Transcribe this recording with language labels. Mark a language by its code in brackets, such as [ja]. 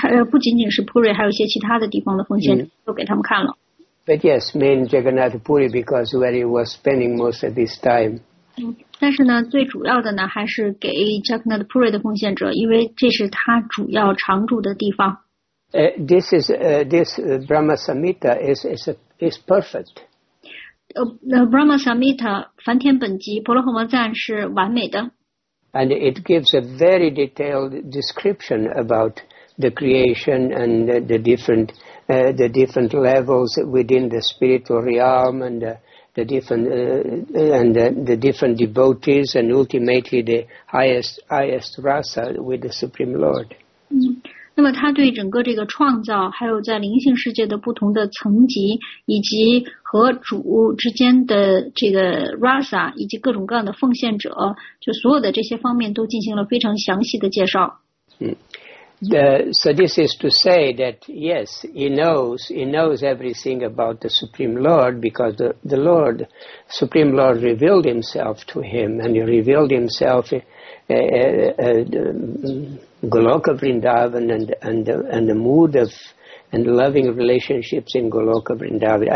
[zh] 不仅仅是 Puri, 还有一些其他的地方的奉献都给他们看了。 [en] But yes, main Jagannath Puri because where he was spending most of his time. [zh] 但是呢，最主要的呢，还是给 Jagannath Puri 的奉献者，因为这是他主要常住的地方。 [en] This Brahma Samhita is perfect. [zh] The Brahma Samhita, 梵天本集，婆罗诃摩赞是完美的。 [en] And it gives a very detailed description about the creation and the different levels within the spiritual realm and the different devotees and ultimately the highest rasa with the Supreme Lord. [zh] 那么他对整个这个创造，还有在灵性世界的不同的层级，以及和主之间的这个 rasa， 以及各种各样的奉献者，就所有的这些方面都进行了非常详细的介绍。 [en] So this is to say that yes, he knows everything about the Supreme Lord because the Supreme Lord revealed himself to him and he revealed himself Goloka Vrindavan and the mood of and loving relationships in Goloka Vrindavan.